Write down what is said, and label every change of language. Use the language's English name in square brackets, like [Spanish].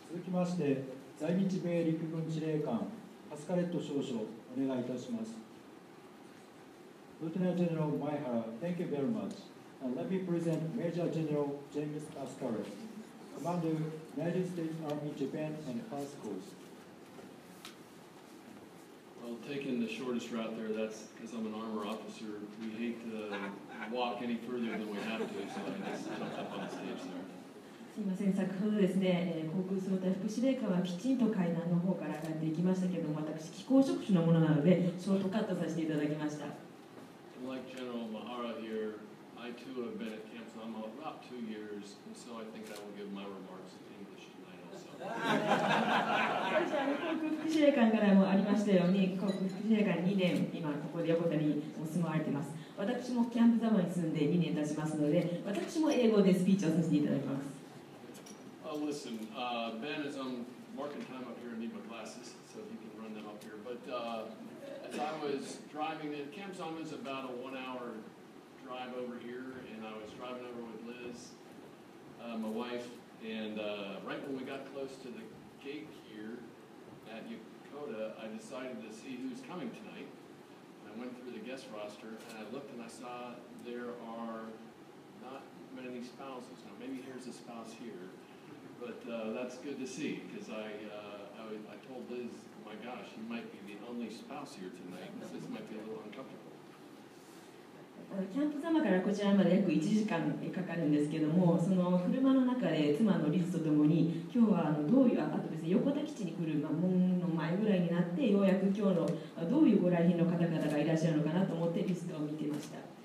[Japanese] まして在日米陸軍司令官パスカレット少将お願いいたします。 [English] Lieutenant General Maehara, thank you very much. And let me present Major General James Pascaret, Commander United States Army Japan and Pass Corps. Well, taking the shortest route there, that's because I'm an armor officer. We hate to walk any further than we have to, so I just jumped up on the stage there. [Japanese] すみません、先ほどですね、航空総隊副司令官はきちんと階段の方から上がっていきましたけれども、私、機構職種のものなので、ショートカットさせていただきました。 [English] Like General Maehara here, I too have been at Camp Thama about 2 years, and so I think I will give my remarks in English tonight also. [Japanese] 航空副司令官からもありましたように、航空副司令官2年、今ここで横田にお住まわれています。私もキャンプ様に住んで2年経ちますので、私も英語でスピーチをさせていただきます。 [English] Listen, Ben is on marking time up here and need my glasses, so he can run them up here. But as I was driving in, Camp Zama is about a 1 hour drive over here, and I was driving over with Liz, my wife, and right when we got close to the gate here at Yokota, I decided to see who's coming tonight. I went through the guest roster, and I looked and I saw there are not many spouses. Now, maybe here's a spouse here. But that's good to see, because I told Liz, oh my gosh, you might be the only spouse here tonight. This might be a little uncomfortable. [Japanese] キャンプ様からこちらまで約1時間かかるんですけども、その車の中で妻のリズとともに、今日はどういう、あとですね、横田基地に来る門の前ぐらいになって、ようやく今日のどういうご来賓の方々がいらっしゃるのかなと思ってリズを見てました。